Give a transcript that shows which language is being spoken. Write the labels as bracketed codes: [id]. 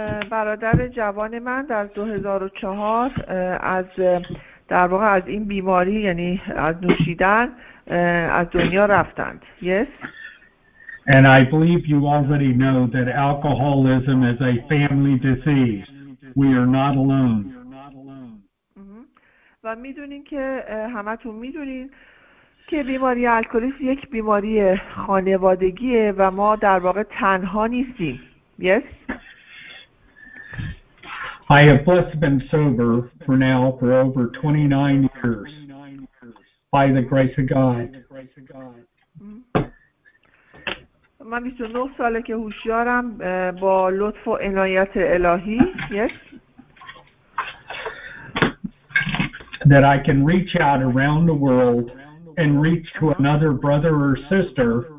[fa] برادر جوان من در 2004 از در واقع از این بیماری یعنی از نوشیدن از دنیا رفتند. [en] Yes. And I believe you already know that alcoholism is a family disease. We are not alone. [fa] و میدونین که همتون میدونین که بیماری الکلیسم یک بیماری خانوادگیه و ما در واقع تنها نیستیم. [en] Yes. I have blessed been sober for now for over 29 years by the grace of God. [fa] من 29 ساله که هوشیارم با لطف و عنایت الهی. [en] Yes. That I can reach out around the world and reach to another brother or sister.